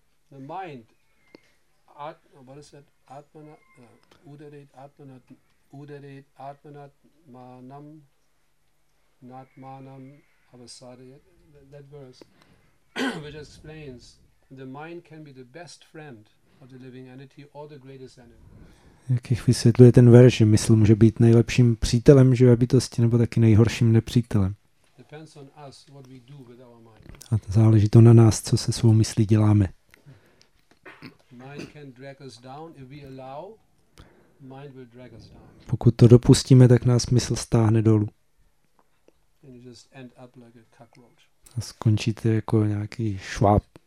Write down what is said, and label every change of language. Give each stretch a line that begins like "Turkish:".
English: The mind, what is it? Atmana, udarit, atmanat, udarit, atmanat, manam, not manam, avasarayat. That verse, which explains, the mind can be the best friend of the living entity or the greatest enemy.
Czech: Jak jich vysvětluje ten verš, že mysl může být nejlepším přítelem živé bytosti nebo taky nejhorším nepřítelem.
English: Depends on us what we do with our mind.
Czech: A to záleží to na nás, co se svou myslí děláme.
English: Mind can drag us down. If we allow, mind will drag us down.
Czech: Pokud to dopustíme, tak nás mysl stáhne dolů.
English: And you just end up like a cockroach.
Czech: A skončíte jako nějaký šváb.